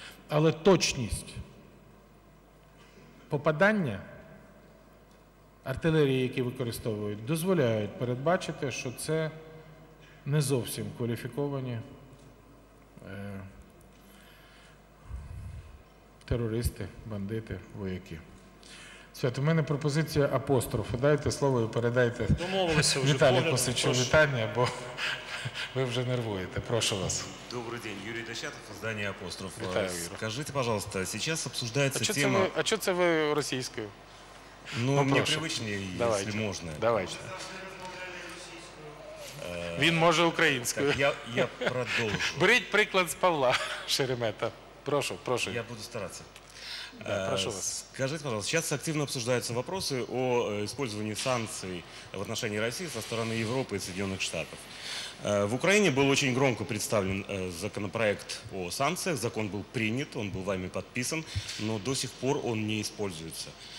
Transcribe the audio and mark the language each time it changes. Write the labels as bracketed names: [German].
[Ukrainian] Але точність попадання артилерії, які використовують, дозволяють передбачити, що це не зовсім кваліфіковані терористи, бандити, вояки. Свято, у мене пропозиція апострофу. Дайте слово і передайте Віталію Косичу вітання, бо ви вже нервуєте. Прошу вас. [Russian] Добрый день, Юрий Дощатов, издание «Апостроф». Витаю, скажите, пожалуйста, сейчас обсуждается тема... А что это вы российскую? Ну, мне привычнее, если можно. Давайте. [Ukrainian] Він може українською. Я продовжу. Беріть приклад з Павла Шеремета. Прошу, прошу. Я буду старатися. [Russian] Да, прошу вас. Скажите, пожалуйста, сейчас активно обсуждаются вопросы о использовании санкций в отношении России со стороны Европы и Соединенных Штатов. В Украине был очень громко представлен законопроект о санкциях, закон был принят, он был вами подписан, но до сих пор он не используется.